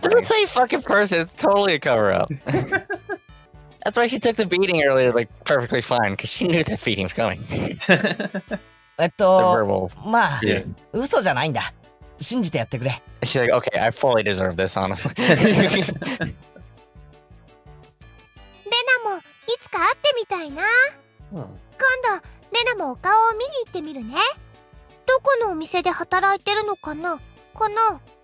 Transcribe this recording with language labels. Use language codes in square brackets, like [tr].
[en] Don't say fucking person, it's totally a cover up. That's why she took the beating earlier, like, perfectly fine, because she knew that beating was coming. The verbal. [ja] まあ、嘘じゃないんだ。信じてやってくれ。 [en] She's like, okay, I fully deserve this, honestly. [ja] レナもいつか会ってみたいな。今度、レナもお顔を見に行ってみるね。どこのお店で働いてるのかな?この。